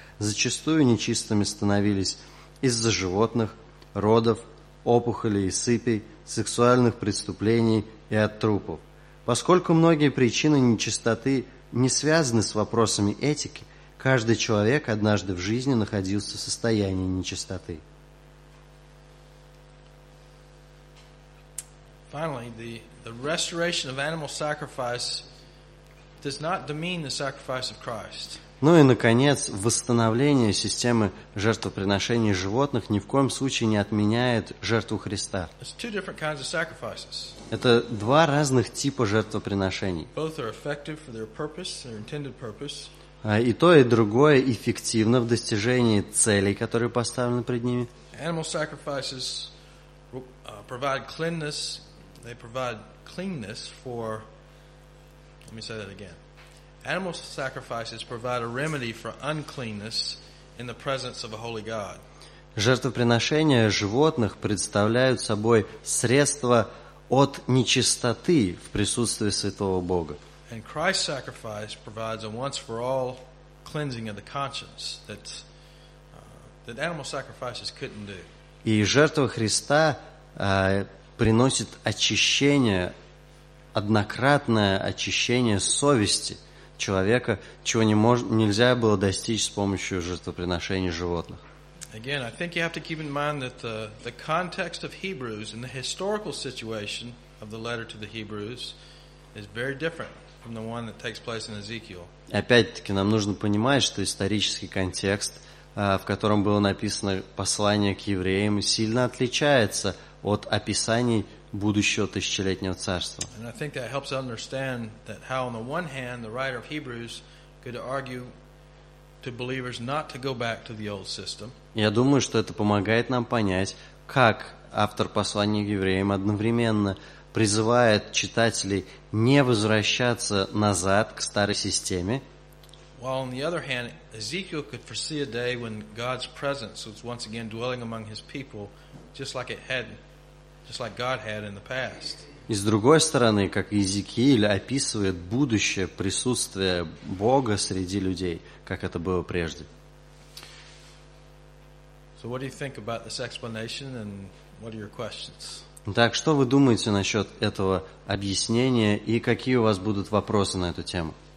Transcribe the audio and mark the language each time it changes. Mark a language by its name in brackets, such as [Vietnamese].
[Russian] Зачастую нечистыми становились из-за животных, родов, опухолей и сыпей, сексуальных преступлений и от трупов. Поскольку многие причины нечистоты не связаны с вопросами этики, каждый человек однажды в жизни находился в состоянии нечистоты. [English] Finally, the restoration of animal sacrifice does not demean the sacrifice of Christ. [Russian] Ну и, наконец, восстановление системы жертвоприношений животных ни в коем случае не отменяет жертву Христа. [English] It's two different kinds of sacrifices. [Russian] Это два разных типа жертвоприношений. [English] Both are effective for their purpose, their intended purpose. [Russian] И то, и другое эффективно в достижении целей, которые поставлены пред ними. [English] Animal sacrifices provide cleanness. They provide cleanness for... Let me say that again. Animal sacrifices provide a remedy for uncleanness in the presence of a holy God. [Russian] Жертвоприношения животных представляют собой средство от нечистоты в присутствии святого Бога. [English] And Christ's sacrifice provides a once-for-all cleansing of the conscience that that animal sacrifices couldn't do. [Russian] И жертва Христа приносит очищение, однократное очищение совести человека, чего нельзя было достичь с помощью жертвоприношений животных. [English] Again, I think you have to keep in mind that the context of Hebrews and the historical situation of the letter to the Hebrews is very different from the one that takes place in Ezekiel. [Russian] Опять-таки, нам нужно понимать, что исторический контекст, в котором было написано послание к евреям, сильно отличается от описаний будущего тысячелетнего царства. [English] And I think that helps understand that how on the one hand the writer of Hebrews could argue to believers not to go back to the old system. [Russian] Я думаю, что это помогает нам понять, как автор послания к евреям одновременно призывает читателей не возвращаться назад к старой системе. [English] While on the other hand, Ezekiel could foresee a day when God's presence was once again dwelling among his people, just like God had in the past. [Russian] И с другой стороны, как Иезекииль описывает будущее присутствие Бога среди людей, как это было прежде. [English] So what do you think about this explanation and what are your questions? [Russian] Так, что вы думаете насчет этого объяснения и какие у вас будут вопросы на эту тему?